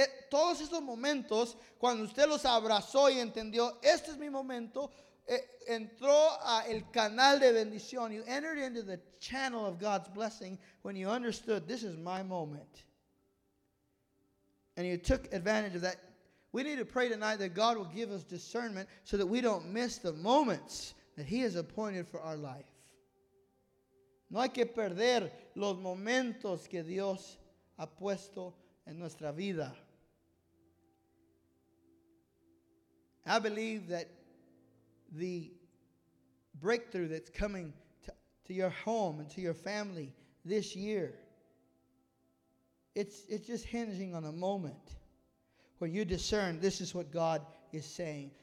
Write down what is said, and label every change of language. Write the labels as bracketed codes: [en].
[es] Todos esos momentos, cuando usted los abrazó y entendió, este es mi momento, entró al canal de bendición. [en] You entered into the channel of God's blessing when you understood this is my moment. And you took advantage of that. We need to pray tonight that God will give us discernment so that we don't miss the moments that He has appointed for our life. [es] No hay que perder los momentos que Dios ha puesto en nuestra vida. [en] I believe that the breakthrough that's coming to your home and to your family this year, It's just hinging on a moment when you discern this is what God is saying.